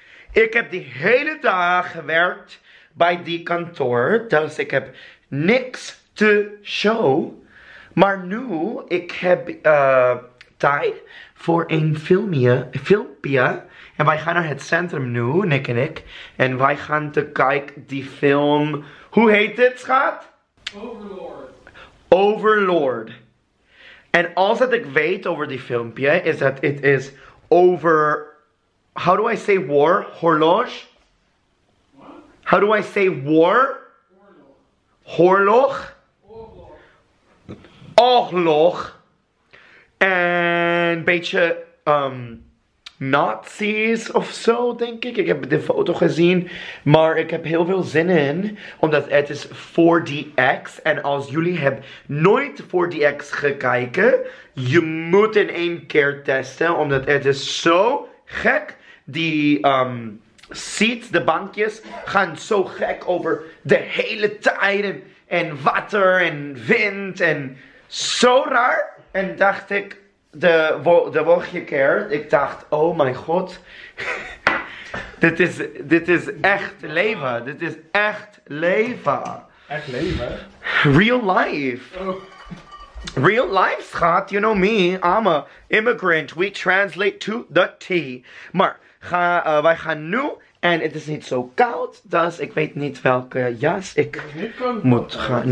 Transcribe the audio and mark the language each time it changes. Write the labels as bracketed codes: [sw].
[nl] Ik heb de hele dag gewerkt bij die kantoor, dus ik heb niks te show. Maar nu ik heb tijd voor een filmpje. En wij gaan naar het centrum nu, Nick en ik. En wij gaan te kijken die film. Hoe heet dit, schat? Overlord. Overlord. [en] And all that I know over the film, yeah, is that it is over, how do I say war? [nl] Horloge? [en] What? How do I say war? Horloge? [nl] Horloge. Ochloge. And beetje Nazis of zo, denk ik. Ik heb de foto gezien, maar ik heb heel veel zin in, omdat het is 4DX. En als jullie hebben nooit 4DX gekeken, je moet in één keer testen, omdat het is zo gek. Die seats, de bankjes, gaan zo gek over de hele tijd. En water en wind en zo raar. En dacht ik, de volgende keer, ik dacht, oh mijn god, dit is echt leven, dit is echt leven. Echt leven? [en] Real life. Oh. Real life, schat, you know me, I'm a immigrant, we translate to the T. [nl] Maar wij gaan nu, en het is niet zo koud, dus ik weet niet welke jas ik moet gaan.